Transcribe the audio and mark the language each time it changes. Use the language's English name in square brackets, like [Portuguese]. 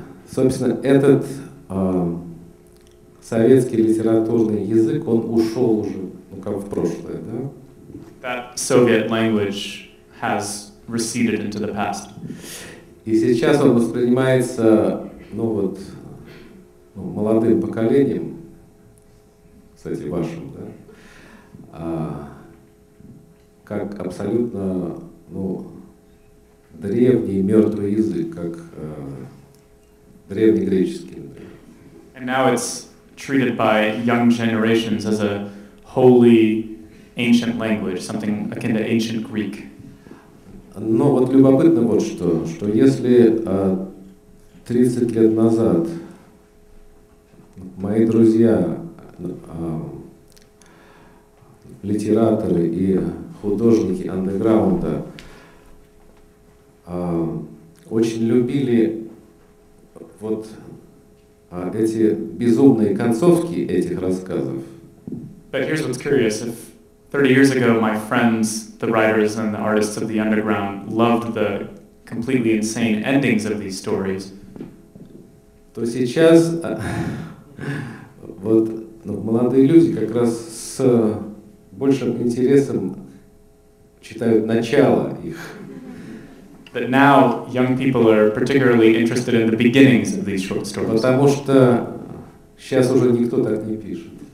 [Russian] Собственно, этот советский литературный язык, он ушел уже, ну, как в прошлое, да? [English] That Soviet language has receded into the past. [Russian] И сейчас он воспринимается, ну, вот, ну, молодым поколением, кстати, вашим, да, как абсолютно, ну, древний мертвый язык, как древнегреческий, например. [English] And now it's treated by young generations as a holy ancient language, something akin to ancient Greek. [Russian] Но вот любопытно вот что, что если 30 лет назад мои друзья, литераторы и художники андеграунда очень любили вот эти безумные концовки этих рассказов. [English] But here's what's curious. If 30 years ago my friends, the writers and the artists of the underground, loved the completely insane endings of these stories, [Russian] то сейчас вот, ну, молодые люди как раз с большим интересом читают начало их. [English] That now young people are particularly interested in the beginnings of these short stories. [Russian] Потому что сейчас уже никто так не пишет.